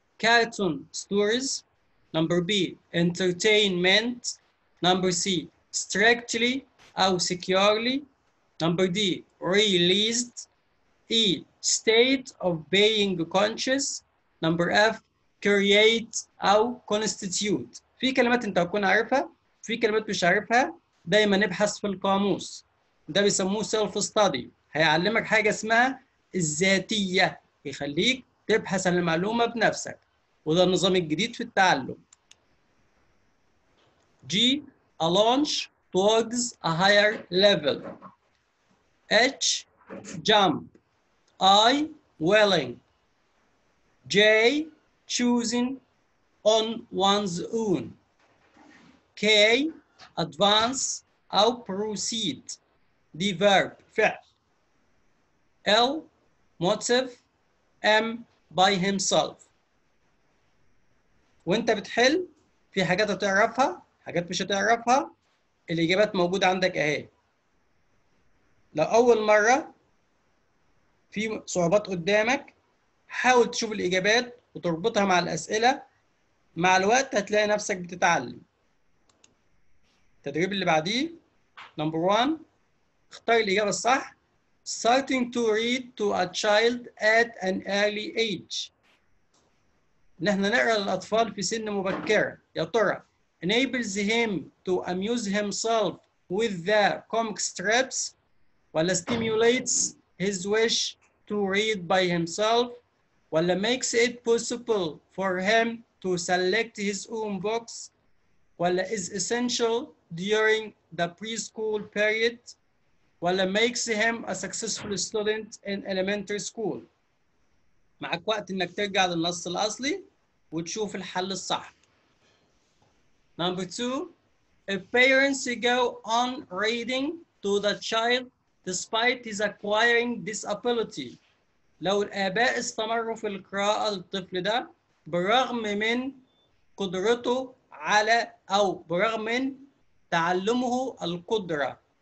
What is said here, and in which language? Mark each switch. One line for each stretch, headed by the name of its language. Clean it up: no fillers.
English: Cartoon stories. Number B. Entertainment. Number C. Strictly أو securely. Number D. Released. E. State of being conscious. Number F. Create أو constitute.
Arabic: في كلمات أنت هتكون عارفها، في كلمات مش عارفها، دايما نبحث في القاموس. ده بيسموه سيلف ستادي. هيعلمك حاجة اسمها الذاتية، يخليك تبحث عن المعلومة بنفسك، وده النظام الجديد في التعلم.
English: G. A launch towards a higher level. H. Jump. I. Willing. J. Choosing on one's own. K. Advance or proceed. D. Verb. فعل. L. Motive. M. By himself.
Arabic: وانت بتحل في حاجات هتعرفها، حاجات مش هتعرفها، الاجابات موجودة عندك اهي. لأول مرة في صعوبات قدامك، حاول تشوف الإجابات وتربطها مع الأسئلة، مع الوقت هتلاقي نفسك بتتعلم. التدريب اللي بعديه
English: number one،
Arabic: اختار الإجابة الصح.
English: Starting to read to a child at an early age.
Arabic: نحن نقرأ للأطفال في سن مبكرة. يا ترى
English: enables him to amuse himself with the comic strips ولا stimulates his wish to read by himself ولا makes it possible for him to select his own books ولا is essential during the preschool period ولا makes him a successful student in elementary school.
Arabic: معك وقت انك ترجع للنص الاصلي وتشوف الحل الصح.
English: Number two, if parents go on reading to the child despite his acquiring disability.
Arabic: لو الآباء استمروا في القراءة للطفل ده برغم من قدرته على أو برغم من تعلمه القدرة.